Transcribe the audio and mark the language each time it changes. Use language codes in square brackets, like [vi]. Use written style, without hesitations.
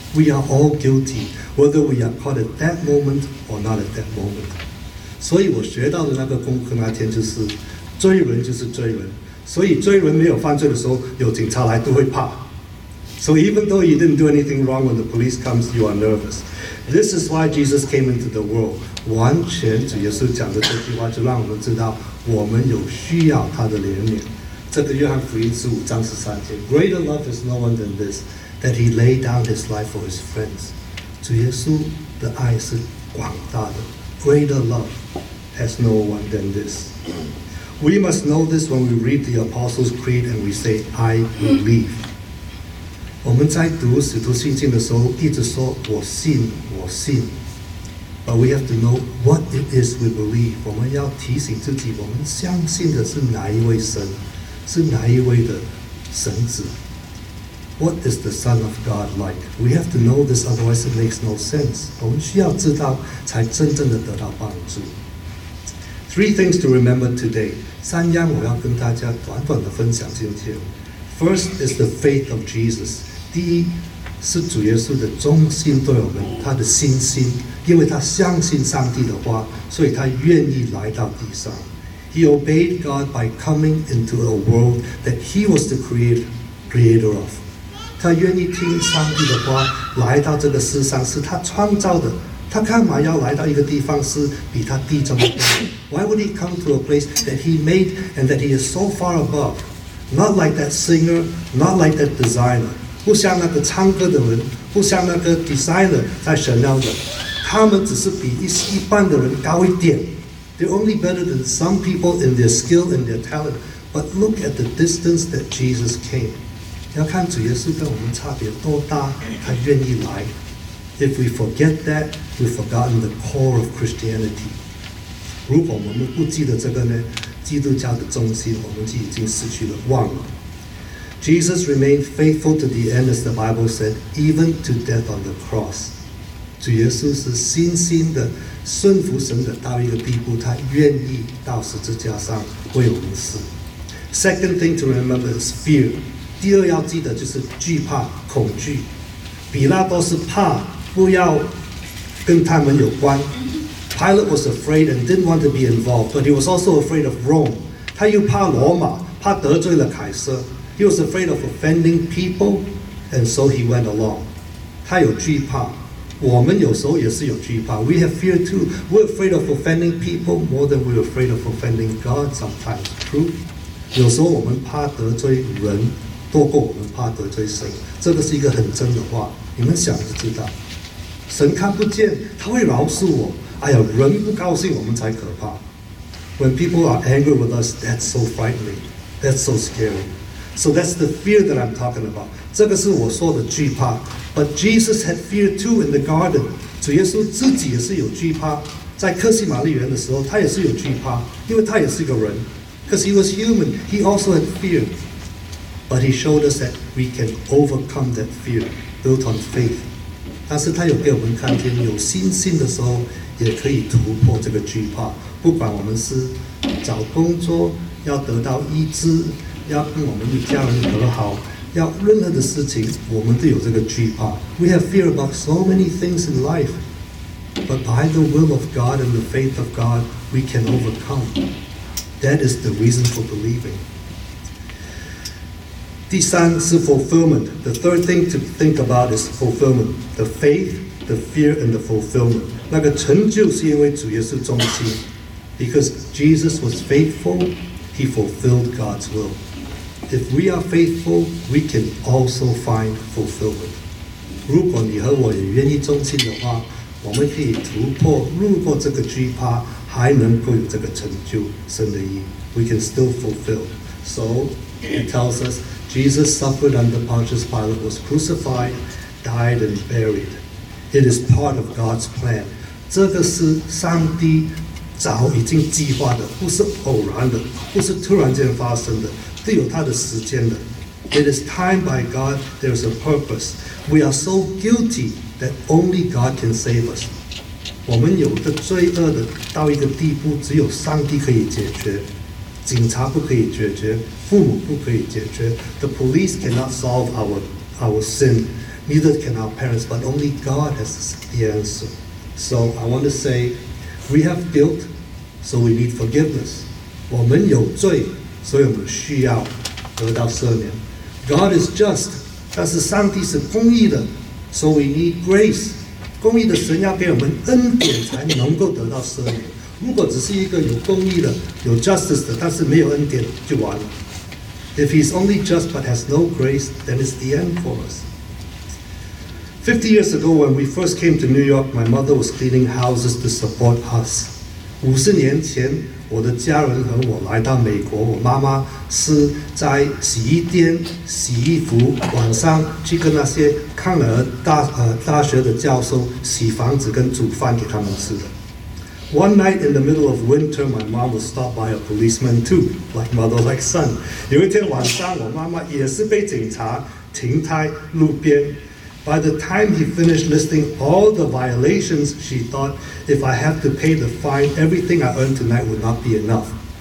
[en] We are all guilty, whether we are caught at that moment or not at that moment. [zh] 所以我学到的那个功课那天就是追人就是追人，所以追人没有犯罪的时候有警察来都会怕。 [en] So even though you didn't do anything wrong, when the police comes, you are nervous. This is why Jesus came into the world. [zh] 完全主耶稣讲的这句话就让我们知道我们有需要他的怜悯。这个约翰福音十五章十三节 [en] Greater love is no one than this, that he laid down his life for his friends. [zh] 主耶稣的爱是广大的 [en] Greater love has no one than this. We must know this when we read the Apostles' Creed and we say, I believe. [zh] 我们在读《使徒信经》的时候，一直说“我信，我信 ”， [en] But we have to know what it is we believe. [zh] 我们要提醒自己，我们相信的是哪一位神，是哪一位的神子。 [en] What is the Son of God like? We have to know this, otherwise it makes no sense. [zh] 我们需要知道，才真正的得到帮助。 [en] Three things to remember today. [zh] 三样我要跟大家短短的分享今天。 [en] First is the faith of Jesus. [zh] 第一是主耶稣的忠心对我们，他的信心，因为他相信上帝的话，所以他愿意来到地上。 [en] He obeyed God by coming into a world that he was the creator of. [zh] 他愿意听上帝的话，来到这个世上是他创造的。他干嘛要来到一个地方是比他地这么高？ [en] Why would he come to a place that he made and that he is so far above? Not like that singer, not like that designer. [zh] 不像那个唱歌的人，不像那个 designer 在 Chanel 的，他们只是比一般的人高一点。 [en] They're only better than some people in their skill and their talent. But look at the distance that Jesus came. [zh] 要看主耶稣跟我们差别多大，他愿意来。 [en] If we forget that, we've forgotten the core of Christianity. [zh] 如果我们不记得这个呢？基督教的中心我们已经失去了忘了 [en] Jesus remained faithful to the end as the Bible said even to death on the cross [zh] 主耶稣是信心的顺服神的到一个地步他愿意到十字架上为我们死 [en] Second thing to remember is fear [zh] 第二要记得就是惧怕恐惧比拉多是怕不要跟他们有关 [en] Pilate was afraid and didn't want to be involved, but he was also afraid of Rome. [zh] 他又怕罗马，怕得罪了凯撒。 [en] He was afraid of offending people, and so he went along. [zh] 他有惧怕，我们有时候也是有惧怕。 [en] We have fear too. We're afraid of offending people more than we're afraid of offending God sometimes. True. [zh] 有时候我们怕得罪人，多过我们怕得罪神。这个是一个很真的话，你们想就知道。神看不见，他会饶恕我。哎呀，人不高兴我们才可怕。 [en] When people are angry with us, that's so frightening. That's so scary. So that's the fear that I'm talking about. [zh] 这个是我说的惧怕。 [en] But Jesus had fear too in the garden. [zh] 主耶稣自己也是有惧怕。在客西马利园的时候，他也是有惧怕，因为他也是一个人。 [en] Because he was human, he also had fear. But he showed us that we can overcome that fear, built on faith. [zh] 但是他有给我们看见，有信心的时候也可以突破这个惧怕，不管我们是找工作，要得到医治，要跟我们的家人和好，要任何的事情，我们都有这个惧怕。 [en] We have fear about so many things in life, but by the will of God and the faith of God, we can overcome. That is the reason for believing. [zh] 第三是 [en] fulfillment. The third thing to think about is fulfillment. The faith, the fear, and the fulfillment. [zh] 那个成就是因为主耶稣忠心 [en] Because Jesus was faithful, he fulfilled God's will. If we are faithful, we can also find fulfillment. [zh] 如果你和我也愿意忠心的话，我们可以突破，路过这个惧怕，还能够有这个成就，神的意。 [en] We can still fulfill. So, he tells us, Jesus suffered under Pontius Pilate, was crucified, died and buried. It is part of God's plan. [zh] 这个是上帝早已经计划的，不是偶然的，不是突然间发生的，都有他的时间的。 [en] It is timed by God. There is a purpose. We are so guilty that only God can save us. [zh] 我们有的罪恶的到一个地步，只有上帝可以解决。警察不可以解决，父母不可以解决。 [en] The police cannot solve our sin. neither can our parents, but only God has the answer. So I want to say, we have guilt, so we need forgiveness. [zh] 我们有罪, 所以我们需要得到赦免。 [en] God is just, [zh] 但是上帝是公义的, [en] so we need grace. [zh] 公义的神要给我们恩典才能够得到赦免。如果只是一个有公义的, 有justice的, 但是没有恩典, 就完了。 [en] If he's only just but has no grace, then it's the end for us. 50 years ago, when we first came to New York, my mother was cleaning houses to support us. [zh] 50年前, 我的家人和我来到美国, 我妈妈是在洗衣店, 洗衣服, 晚上去跟那些康乐大学的教授洗房子跟煮饭给他们吃的。 [en] One night in the middle of winter, my mom was stopped by a policeman too, like mother, like son. [zh] 有一天晚上,我妈妈也是被警察停在路边。 [en] By the time he finished listing all the violations, she thought, if I have to pay the fine, everything I earn tonight would not be enough.